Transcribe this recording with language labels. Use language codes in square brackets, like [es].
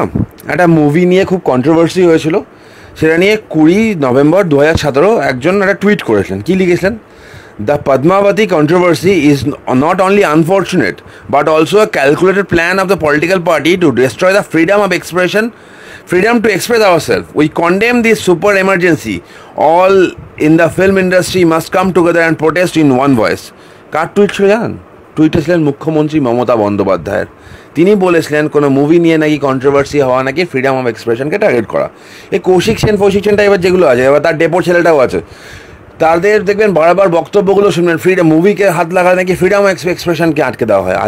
[bn] হ্যাঁ, একটা মুভি নিয়ে খুব কন্ট্রোভার্সি হয়েছিল, সেটা নিয়ে 20 নভেম্বর 2017 একজন একটা টুইট করেছিলেন। কী লিখেছিলেন? [en] The Padmavati controversy is not only unfortunate but also a calculated plan of the political party to destroy the freedom of expression, freedom to express ourselves. We condemn this super emergency. All in the film industry must come together and protest in one voice. [bn] Car tweet ছিল জানেন? Tweet ছিলেন মুখ্যমন্ত্রী মমতা বন্দ্যোপাধ্যায়ের। তিনি বলেছিলেন কোনো movie নিয়ে নাকি কন্ট্রোভার্সি হওয়া নাকি [en] freedom of এক্সপ্রেশনকে [bn] টার্গেট করা। এই কৌশিক সেন ফৌশিক সেন টাইপের যেগুলো আছে, এবার তার ডেপো ছেলেটাও আছে, তাদের দেখবেন বারবার বক্তব্যগুলো শুনবেন, ফ্রিডম মুভিকে হাত লাগালে নাকি [en] freedom of এক্সপ্রেশনকে [bn] আটকে দেওয়া হয়।